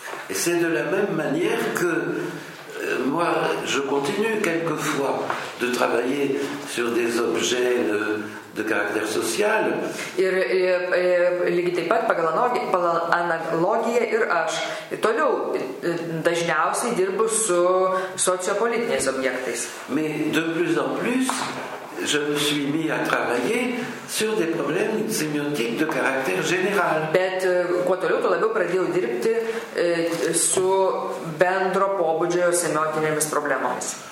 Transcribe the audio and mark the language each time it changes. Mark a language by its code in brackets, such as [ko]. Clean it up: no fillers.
[fr] Et c'est de la même manière que moi, je continue quelquefois de travailler sur des objets de caractère social. [lt] Ir lygiai taip pat pagal analogiją ir aš toliau dažniausiai dirbu su sociopolitiniais objektais. [fr] Mais de plus en plus, je me suis mis à travailler sur des problèmes sémiotiques de caractère général. [lt] Bet kuo toliau, tuo labiau pradėjau dirbti su bendro pobūdžio semiotinėmis problemomis.